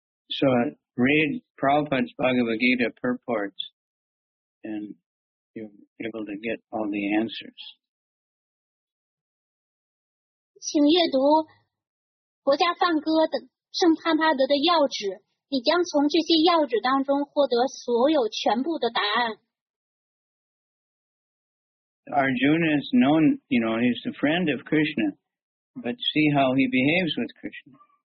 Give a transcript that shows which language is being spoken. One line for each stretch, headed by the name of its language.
English: So read Prabhupada's Bhagavad Gita purports and you're able to get all the answers.
Chinese: 请阅读国家梵歌等圣帕帕德的要旨，你将从这些要旨当中获得所有全部的答案。
English: Arjuna is known, you know, he's a friend of Krishna, but see how he behaves with Krishna.